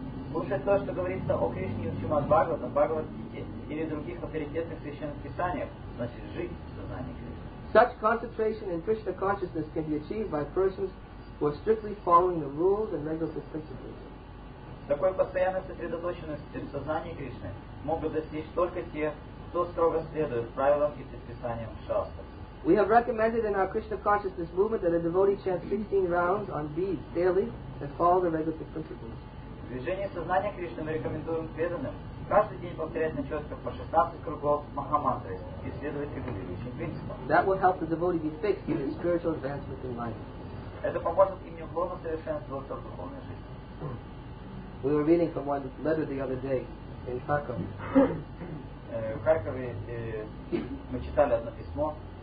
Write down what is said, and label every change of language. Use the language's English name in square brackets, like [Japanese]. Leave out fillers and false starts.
[Russian] Слушать то, что говорится о Кришне в Шримад Бхагаватам, Бхагавад Гите или других авторитетных священных писаниях, значит жить в сознании Кришны. [English] Such concentration in Krishna consciousness can be achieved by persons who are strictly following the rules and regulative principles. [Russian] Такой постоянной сосредоточенности в сознании Кришны могут достичь только те, кто строго следует правилам и предписаниям шастр. [English] We have recommended in our Krishna consciousness movement that a devotee chants 16 rounds on beads daily and follow the regulative principles. [Russian] В движении сознания Кришны мы рекомендуем преданным каждый день повторять на четках по 16 кругов Махамантры, исследовать регулирующим принципам. [English] That will help the devotee be fixed in his spiritual advancement in life. [Russian] Это поможет им неуклонно совершенствоваться в духовной жизни. [English] We were reading from one letter the other day in Kharkov. [Russian] В Харькове мы читали одно письмо.